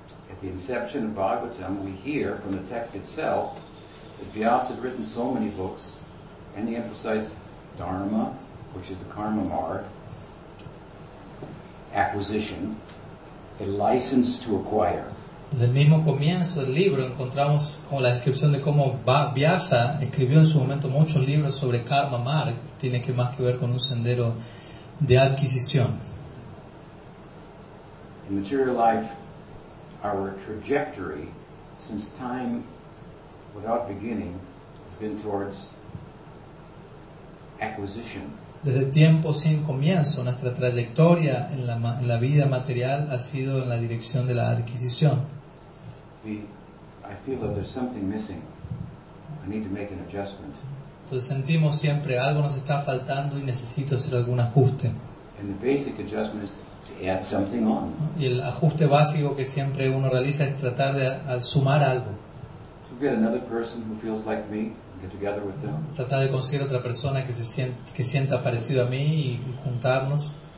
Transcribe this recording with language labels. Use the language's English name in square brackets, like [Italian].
[English] At the inception of Bhagavatam, we hear from the text itself that Vyasa had written so many books, and he emphasized Dharma, which is the karma mark, acquisition, a license to acquire. [Spanish] Desde el mismo comienzo del libro encontramos como la descripción de cómo Vyasa escribió en su momento muchos libros sobre karma mark, tiene que más que ver con un sendero de adquisición. [English] In material life, our trajectory since time without beginning has been towards acquisition. [Spanish] Desde tiempo sin comienzo, nuestra trayectoria en la vida material ha sido en la dirección de la adquisición. [English] I feel that there's something missing. I need to make an adjustment. [Spanish] Entonces sentimos siempre algo nos está faltando y necesito hacer algún ajuste. [English] And the basic adjustment is to add something on. [Spanish] Y el ajuste básico que siempre uno realiza es tratar de sumar algo. [English] To get another person who feels like me and get together with them. [Spanish] Tratar de conseguir otra persona que sienta parecido a mí y juntarnos.